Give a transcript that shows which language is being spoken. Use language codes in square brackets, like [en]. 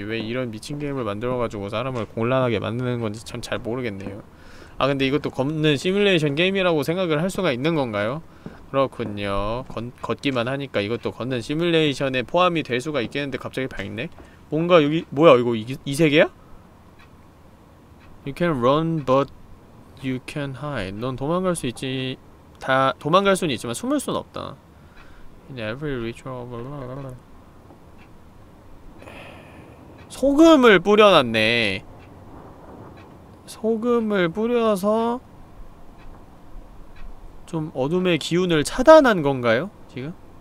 [ko] 왜 이런 미친 게임을 만들어가지고 사람을 곤란하게 만드는 건지 참 잘 모르겠네요. 아, 근데 이것도 걷는 시뮬레이션 게임이라고 생각을 할 수가 있는 건가요? 그렇군요. 걷기만 하니까 이것도 걷는 시뮬레이션에 포함이 될 수가 있겠는데 갑자기 밝네? 뭔가 여기, 뭐야, 이거 이 세계야? [en] You can run, but You can hide. [ko] 넌 도망갈 수 있지. 도망갈 수는 있지만 숨을 수는 없다. [en] In every ritual. [ko] 소금을 뿌려놨네. 소금을 뿌려서 좀 어둠의 기운을 차단한 건가요? 지금?